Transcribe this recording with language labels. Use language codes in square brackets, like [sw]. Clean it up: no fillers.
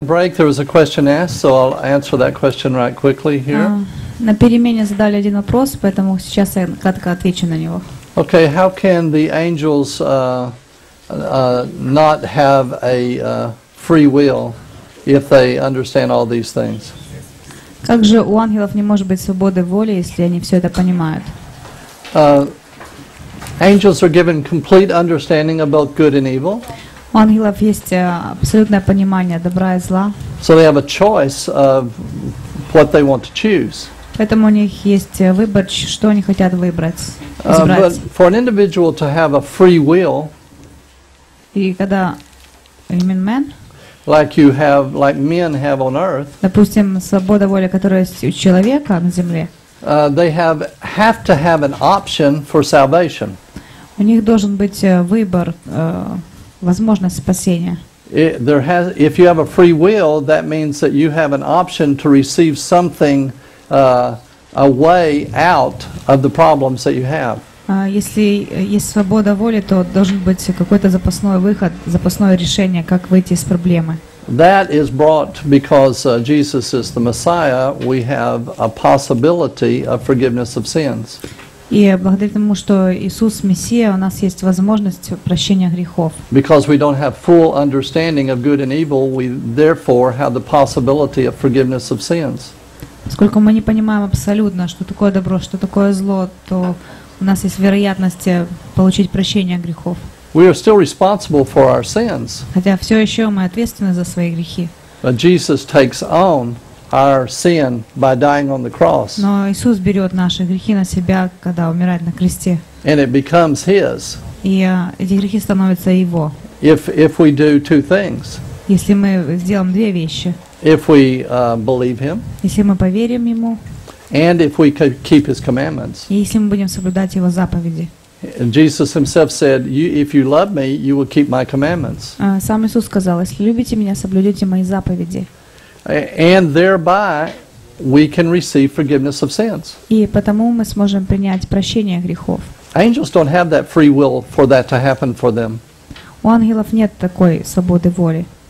[en] Break, there was a question asked, so I'll answer that question right quickly here. [ru] На перемене задали один вопрос, поэтому сейчас я кратко отвечу на него. [en] Okay, how can the angels not have a free will if they understand all these things? [ru] Как же у ангелов не может быть свободы воли, если они все это понимают? [en] Angels are given complete understanding about good and evil. [ru] У ангелов есть абсолютное понимание добра и зла. [en] So they have a choice of what they want to choose. [ru] Поэтому у них есть выбор, что они хотят выбрать, избрать. [en] But for an individual to have a free will, [ru] и когда, [en] you mean man? Like you have, like men have on earth. [ru] Допустим, свобода воли, которая есть у человека на земле. [en] They have to have an option for salvation. [ru] У них должен быть выбор, возможность спасения. [en] If you have a free will, that means that you have an option to receive something, a way out of the problems that you have. [ru] Если есть свобода воли, то должен быть какой-то запасной выход, запасное решение, как выйти из проблемы. [en] That is brought because Jesus is the Messiah, we have a possibility of forgiveness of sins. [ru] И благодаря тому, что Иисус Мессия, у нас есть возможность прощения грехов. [en] Because we don't have full understanding of good and evil, we therefore have the possibility of forgiveness of sins. [ru] Поскольку мы не понимаем абсолютно, что такое добро, что такое зло, то у нас есть вероятность получить прощение грехов. [en] We are still responsible for our sins. [ru] Хотя все еще мы ответственны за свои грехи. [en] But Jesus takes on our sin by dying on the cross. [ru] Но Иисус берет наши грехи на себя, когда умирает на кресте. [en] And it becomes His. [ru] И эти грехи становятся Его. [en] If we do two things. [ru] Если мы сделаем две вещи. [en] If we believe Him. [ru] Если мы поверим Ему. [en] And if we keep His commandments. [ru] И если мы будем соблюдать Его заповеди. [en] And Jesus Himself said, "If you love Me, you will keep My commandments." [ru] Сам Иисус сказал, если любите Меня, соблюдете Мои заповеди. [en] And thereby we can receive forgiveness of sins. [ru] И потому мы сможем принять прощение грехов. [en] Angels don't have that free will for that to happen for them. [ru] У ангелов нет такой свободы воли.